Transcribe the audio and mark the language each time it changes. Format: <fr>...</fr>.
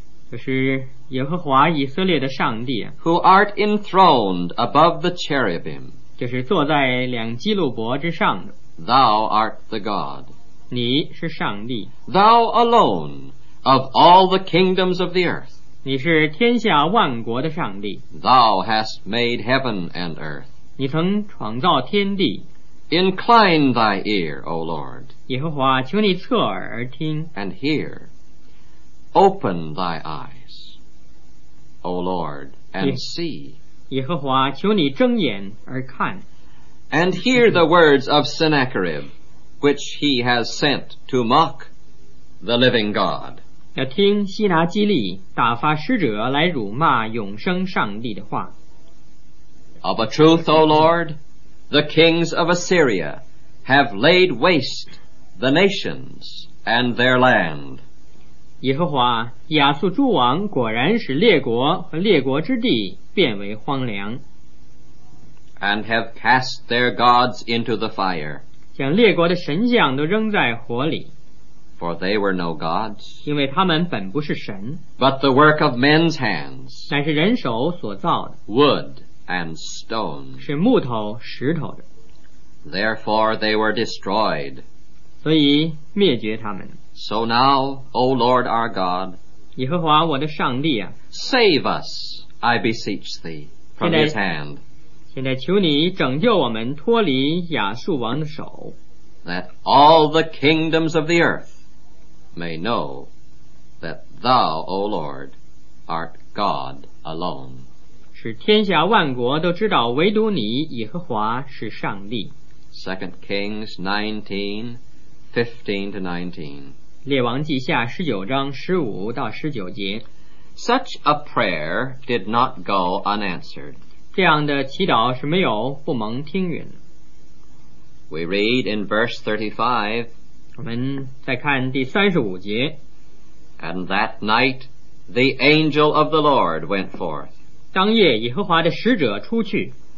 <zh>就是耶和华以色列的上帝，</zh> <en>who art enthroned above the cherubim,</en> <zh>就是坐在两基路伯之上的，</zh> <en>thou art the God,</en> <zh>你是上帝，</zh> <en>thou alone of all the kingdoms of the earth,</en> <zh>你是天下万国的上帝，</zh> <en>thou hast made heaven and earth,</en> <zh>你曾创造天地，</zh> <en>incline thy ear, O Lord,</en> <zh>耶和华求你侧耳而听，</zh> <en>and hear, open thy eyes,O Lord, and see,</en> <zh>耶和华求你睁眼而看，</zh> <en>and hear the words of Sennacherib, which he has sent to mock the living God,</en> <zh>要听希拿基利打发使者来辱骂永生上帝的话。</zh> <en>Of a truth, O Lord, the kings of Assyria have laid waste the nations and their land,</en> <zh>耶和华，亚述诸王果然使列国和列国之地变为荒凉。</zh> <en>And have cast their gods into the fire,</en> <zh>将列国的神像都扔在火里。</zh> <en>For they were no gods,</en> <zh>因为他们本不是神。</zh> <en>But the work of men's hands,</en> <zh>乃是人手所造的。</zh> <en>Wood and stone,</en> <zh>是木头石头的。</zh> <en>Therefore they were destroyed,</en> <zh>所以灭绝他们。</zh> <en>So now, O Lord our God,</en> <zh>耶和华我的上帝啊，</zh> <en>save us, I beseech thee, from his hand,</en> <zh>现在求你拯救我们脱离亚述王的手，</zh> <en>that all the kingdoms of the earth may know that thou, O Lord, art God alone,</en> <zh>使天下万国都知道唯独你耶和华是上帝。</zh> <en>2 Kings 19:15-19.</en> <zh>列王记下十九章十五到十九节。</zh> <en>Such a prayer did not go unanswered.</en> <zh>这样的祈祷是没有不蒙听允。</zh> <en>We read in verse 35.</en> <zh>我们再看第三十五节。</zh> <en>And that night the angel of the Lord went forth.</en> <zh>当夜耶和华的使者出去。</zh>